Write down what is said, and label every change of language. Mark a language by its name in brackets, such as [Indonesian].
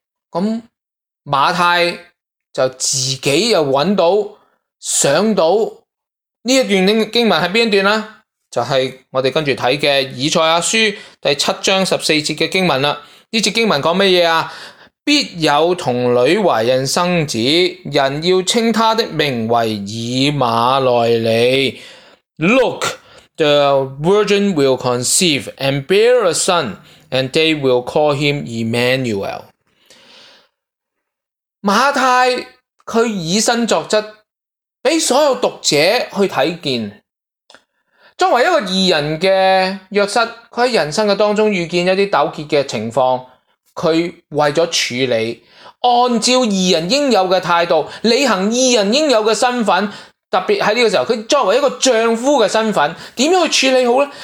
[Cantonese] 咁马太就自己又揾到想到呢一段经文喺边一段啦？就系我哋跟住睇嘅以赛亚书第7章14节嘅经文啦。呢节经文讲乜嘢啊？必有童女怀孕生子，人要称他的名为以马内利。 [English] Look, the virgin will conceive and bear a son, and they will call him Emmanuel. [Cantonese] 马太佢以身作则，俾所有读者去睇见。作为一个异人嘅约瑟，佢喺人生嘅当中遇见一啲纠结嘅情况。佢为咗处理，按照义人应有嘅态度，履行义人应有嘅身份，特别喺呢个时候，佢作为一个丈夫嘅身份，点样去处理好呢？